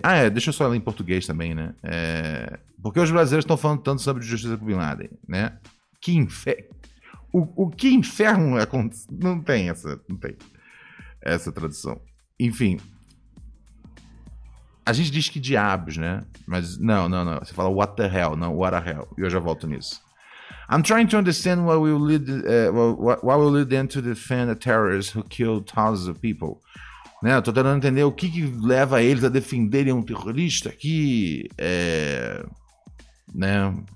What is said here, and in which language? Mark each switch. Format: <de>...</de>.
<pt>Ah, deixa eu só ler em português também, né? Por que os brasileiros estão falando tanto sobre justiça pro Bin Laden, né? Que inferno... O que inferno acontece? Não tem essa... Não tem essa tradução. Enfim. A gente diz que diabos, né? Mas não. Você fala</pt> <en>what the hell,</en> <pt>não</pt> <en>what a hell.</en> <pt>E eu já volto nisso.</pt> <en>I'm trying to understand why we lead them to defend the terrorists who killed thousands of people.</en> <pt>Né? Eu tô tentando entender o que que leva eles a defenderem um terrorista aqui. Né?</pt>